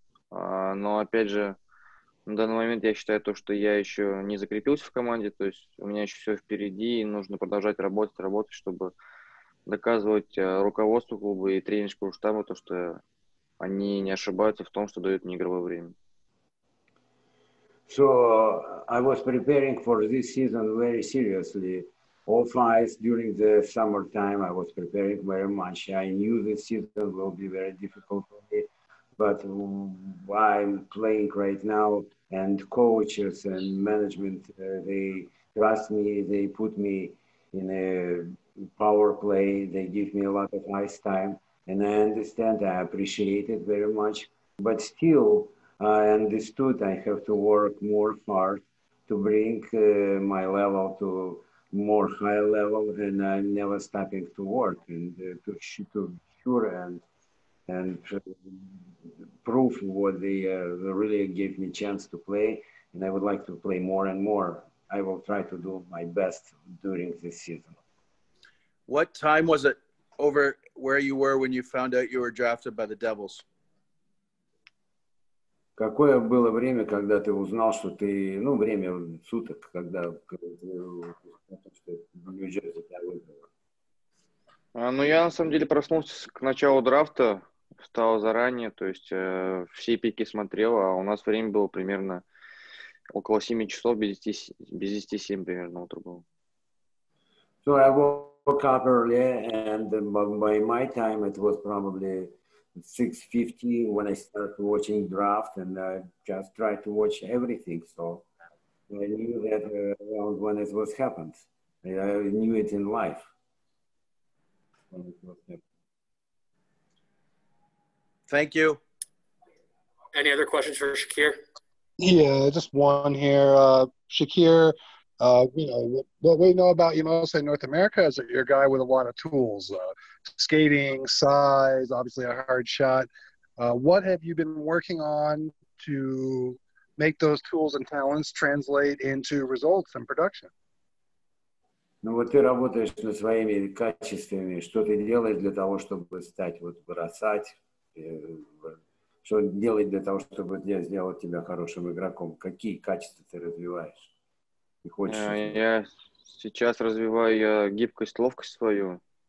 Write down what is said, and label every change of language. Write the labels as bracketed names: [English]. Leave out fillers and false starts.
[Russian] Но, опять же, на данный момент я считаю то, что я еще не закрепился в команде, то есть у меня еще все впереди, и нужно продолжать работать, чтобы доказывать руководству клуба и тренерскому штабу то, что они не ошибаются в том, что дают мне игровое время. [English] So I was preparing for this season very seriously, All flights during the summertime, I was preparing very much. I knew the season will be very difficult for me, but I'm playing right now, and coaches and management, they trust me, they put me in a power play, they give me a lot of ice time, and I understand, I appreciate it very much. But still, I understood I have to work more hard to bring my level to more high level, and I'm never stopping to work and to sure and prove what they really gave me chance to play, and I would like to play more and more. I will try to do my best during this season. What time was it over where you were when you found out you were drafted by the Devils? [Russian] Какое было время, когда ты узнал, что ты, ну, время суток, когда Нью-Джерси тебя выбрало? Ну, я на самом деле проснулся к началу драфта, встал заранее, то есть все пики смотрел, а у нас время было примерно около 7 часов, без 10-7 примерно утро было. [English] So I woke up early, and by my time it was probably 6:50 when I started watching draft, and I just tried to watch everything. So I knew that around when it was happened, I knew it in life. Thank you. Any other questions for Shakir? Yeah, just one here, Shakir. You know, what we know about you mostly in North America is that you're a guy with a lot of tools, skating, size, obviously a hard shot. What have you been working on to make those tools and talents translate into results and production? [Russian] Ну, вот ты работаешь над своими качествами. Что ты делаешь для того, чтобы стать, вот, бросать? Что делать для того, чтобы сделать тебя хорошим игроком? Какие качества ты развиваешь? Я сейчас развиваю гибкость, ловкость свою.